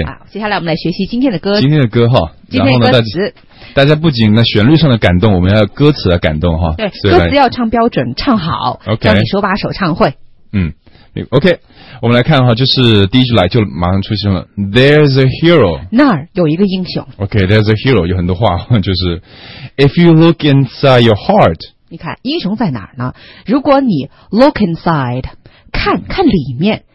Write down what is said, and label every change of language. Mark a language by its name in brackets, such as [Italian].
[Chinese] 啊，接下来我们来学习今天的歌，今天的歌哈，今天的歌词。大家不仅那旋律上的感动，我们要歌词的感动哈。对，歌词要唱标准，唱好。 [English] OK， [Chinese] 让你手把手唱会。嗯 ，OK， 我们来看哈，就是第一句来就马上出现了 ， [English] There's a hero， [Chinese] 那儿有一个英雄。 [English] OK，There's、okay, a hero， [Chinese] 有很多话就是 [English] ，If you look inside your heart， [Chinese] 你看英雄在哪儿呢？如果你 [English] look inside， [Chinese] 看看里面。